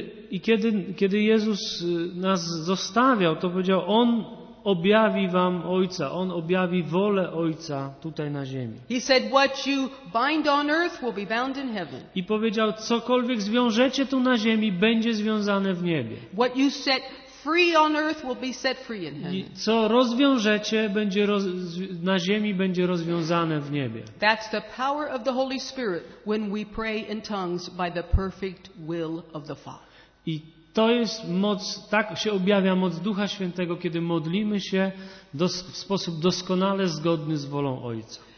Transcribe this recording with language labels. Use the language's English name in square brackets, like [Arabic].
[Polish] I kiedy Jezus nas zostawiał, to powiedział, On objawi wam Ojca, On objawi wolę Ojca tutaj na ziemi. [English] He said, what you bind on earth will be bound in heaven. [Polish] I powiedział, cokolwiek zwiążecie tu na ziemi, będzie związane w niebie. [English] What you set free on earth will be set free in heaven. [Polish] Co rozwiążecie, będzie na ziemi będzie rozwiązane w niebie. [English] That's the power of the Holy Spirit when we pray in tongues by the perfect will of the Father. [Polish] I to jest moc, tak się objawia moc Ducha Świętego, kiedy modlimy się w sposób doskonale zgodny z wolą Ojca.